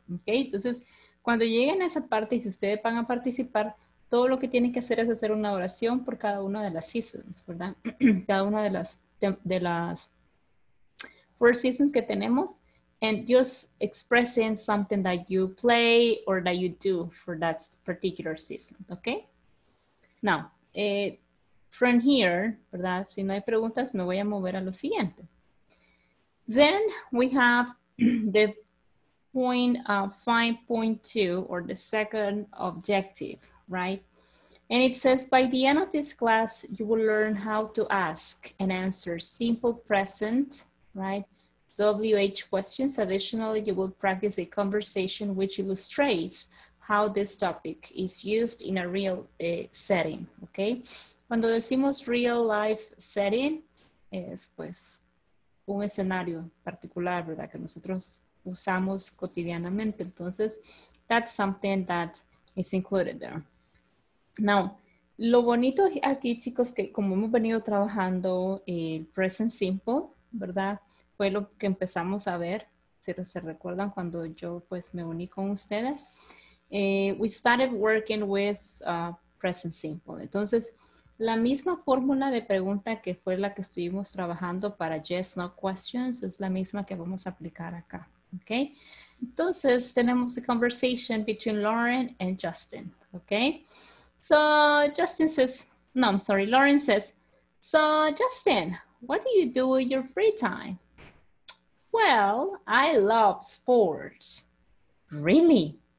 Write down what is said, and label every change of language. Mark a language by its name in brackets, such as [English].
[Spanish] Okay, entonces cuando lleguen a esa parte y si ustedes van a participar, todo lo que tienen que hacer es hacer una oración por cada una de las seasons, ¿verdad? Cada una de las four seasons que tenemos. [English] And just expressing something that you play or that you do for that particular season, okay? Now, from here, ¿verdad? [Spanish] Si no hay preguntas, me voy a mover a lo siguiente. [English] Then we have the point 5.2 or the second objective, right? And it says, by the end of this class, you will learn how to ask and answer simple present, right? WH questions. Additionally, you will practice a conversation which illustrates how this topic is used in a real setting, okay? [Spanish] Cuando decimos real life setting, es pues un escenario particular, ¿verdad? Que nosotros usamos cotidianamente. Entonces, [English] that's something that is included there. [Spanish] Now, lo bonito aquí, chicos, que como hemos venido trabajando el present simple, ¿verdad? Fue lo que empezamos a ver, si se recuerdan, cuando yo pues me uní con ustedes. [English] We started working with present simple. [Spanish] Entonces, la misma fórmula de pregunta que fue la que estuvimos trabajando para yes, no questions, es la misma que vamos a aplicar acá, okay? Entonces, tenemos [English] a conversation between Lauren and Justin, okay? So, Justin says, no, I'm sorry, Lauren says, so, Justin, what do you do with your free time? Well, I love sports. Really?